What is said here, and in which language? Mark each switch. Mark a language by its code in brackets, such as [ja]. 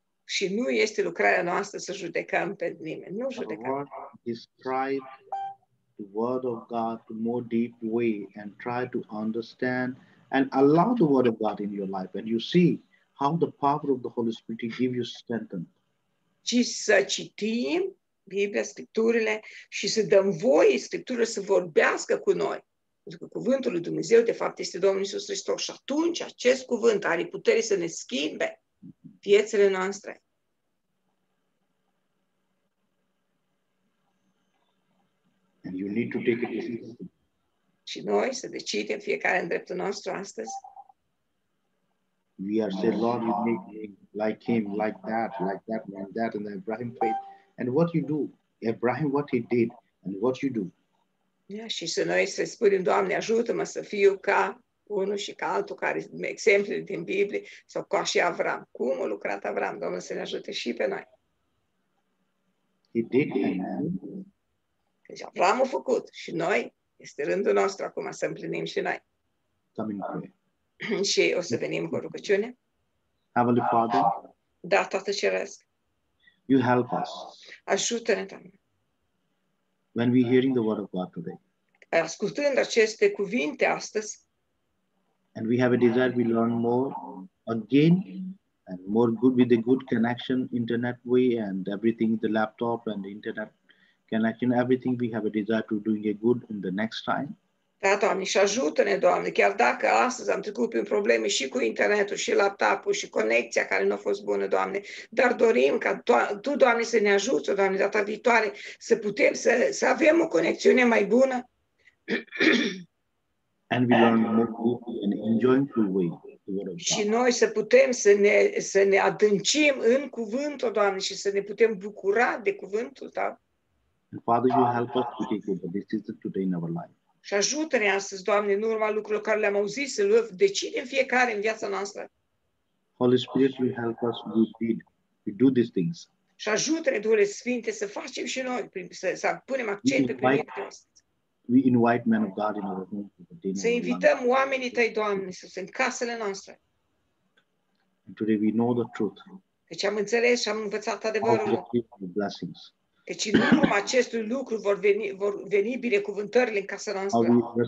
[ro] Și nu este lucrarea noastră să judecăm pe nimeni. Nu judecăm. [en] Describe the word of God in a more deep way and try to understand and allow the word of God in your life and you see how the power of the Holy Spirit gives you strength. [ro] Ci să citim Biblia, Scripturile și să dăm voie Scripturile să vorbească cu noi. Pentru că cuvântul lui Dumnezeu de fapt este Domnul Iisus Hristos și atunci acest cuvânt are putere să ne schimbe viețile noastre. [en] And you need to take a decision. [ro] Și noi să decidem fiecare în dreptul nostru astăzi. [en] We are saying, Lord, you make me like him, like that, and that, and Abraham prayed. And what you do, Abraham, what he did, and what you do. [ro] Yeah, și să noi să spunem, Doamne, ajută-mă să fiu ca unul și ca altul, care exemplu din Biblie, sau ca și Avram. Cum a lucrat Avram? Domnul să ne ajute și pe noi. [en] He did, amen. [ro] Deci Avram a făcut și noi. Este rândul nostru acum să împlinim și noi. Și o să venim cu rugăciune. [en] Heavenly Father, [ro] da, Tată Ceresc. [en] You help us. [ro] Ajută-ne, Doamne. [en] When we hearing the word of God today. [ro] Ascultând aceste cuvinte astăzi. [en] And we have a desire we learn more again and more good with the good connection internet way and everything the laptop and the internet. And like in everything we have a desire to doing a good in the next time. [ro] Da, Doamne, și ajută-ne, Doamne, chiar dacă astăzi am trecut prin probleme și cu internetul și laptopul și conexia care nu a fost bună, Doamne, dar dorim ca Tu, Doamne, să ne ajuți, Doamne, data viitoare să putem să avem o conexiune mai bună. [en] And we learn more deeply and enjoying the way. [ro] Și noi să putem să ne adâncim în cuvântul, Doamne, și să ne putem bucura de cuvântul Tău. [en] And Father, you help us to take the decision today in our life. [ro] Și ajută-ne astăzi, Doamne, în urma lucrurilor care le-am auzit, să luăm decizii fiecare în viața noastră. [en] Holy Spirit, you help us to do these things. [ro] Și ajută-ne, Duhule Sfinte, să facem și noi, să punem accent pe viața asta. [en] We invite men of God in our home. [ro] Să invităm oamenii Tăi, Doamne, să sunt în casele noastre. [en] And today we know the truth. [ro] Deci am înțeles și am învățat adevărul. [en] The blessings. [ro] Deci în urma acestui lucru vor veni binecuvântările în casa noastră.